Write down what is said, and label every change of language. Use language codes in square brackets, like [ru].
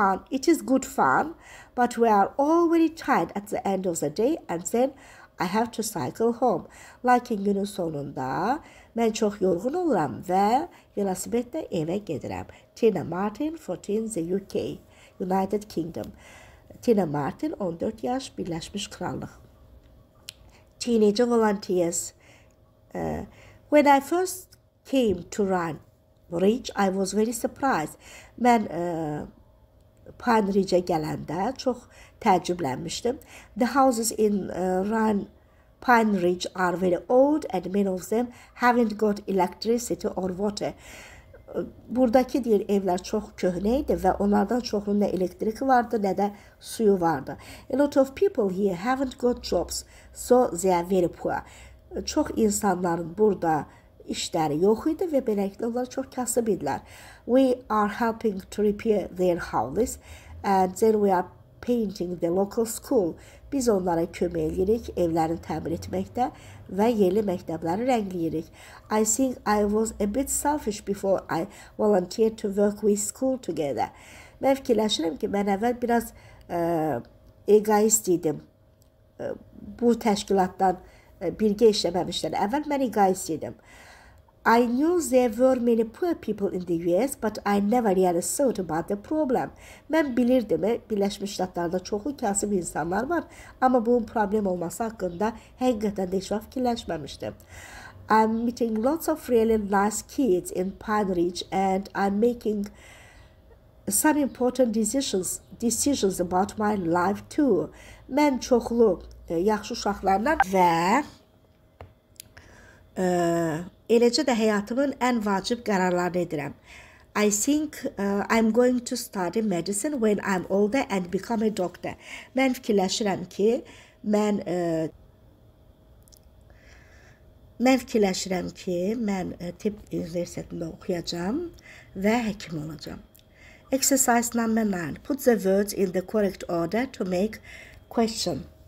[en] It is good fun, but we are all very tired at the end of the day and then I have to cycle home. [az] Lakin günün sonunda mən çox yorğun oluram və velosipedlə evə gedirəm. [en] Tina Martin, 14, the UK, United Kingdom. [az] Tina Martin, 14 yaş, Birləşmiş Krallıq. [en] Teenager volunteers. When I first came to Run Ridge, I was very surprised. [az] Mən Pine Ridge'e gələndə çox təəccüblənmişdim. [en] The houses in Run Pine Ridge are very old and many of them haven't got electricity or water. [az] Buradakı deyir, evlər çox köhnə idi və onlardan çoxunun nə elektriki vardı, nə də suyu vardı. [en] A lot of people here haven't got jobs, so they are very poor. [az] Çox insanların burada işləri yox idi və beləliklə onlar çox kasıb idilər. [en] We are helping to repair their houses and then we are painting the local school. [az] Biz onlara kömək edirik evlərini təmir etməkdə və yerli məktəbləri rəngləyirik. [en] I think I was a bit selfish before I volunteered to work with school together. [az] Mən fikirləşirəm ki, mən əvvəl biraz egoist idim. Bu təşkilatdan birgə işləməmişdən əvvəl mən egoist idim. [en] I knew there were many poor people in the US, but I never really thought about the problem. [az] Mən bilirdim, Birləşmiş Ştatlarda çoxu kasıb insanlar var, amma bunun problem olması haqqında həqiqətən də heç vaxt fikirləşməmişdim. [en] I'm meeting lots of really nice kids in Pine Ridge and I'm making some important decisions about my life too. [az] Mən çoxlu yaxşı uşaqlarla və eləcə də həyatımın ən vacib qərarlarını edirəm. [en] I think I'm going to study medicine when I'm older and become a doctor. [az] Mən fikirləşirəm ki, mən tibb universitetində oxuyacam və həkim olacam. [en] Exercise number 9. Put the words in the correct order to make question.